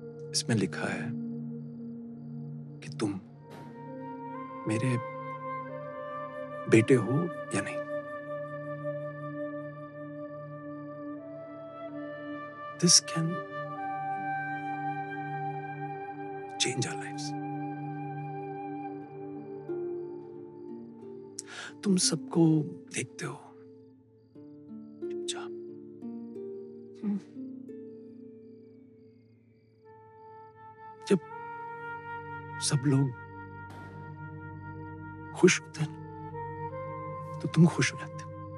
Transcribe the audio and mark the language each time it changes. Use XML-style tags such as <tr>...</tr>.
<hi>इसमें लिखा है कि तुम मेरे बेटे हो या नहीं।</hi> <en>This can change our lives.</en> <hi>तुम सबको देखते हो चुपचाप, जब सब लोग खुश होते हैं तो तुम खुश हो जाते हो।</hi>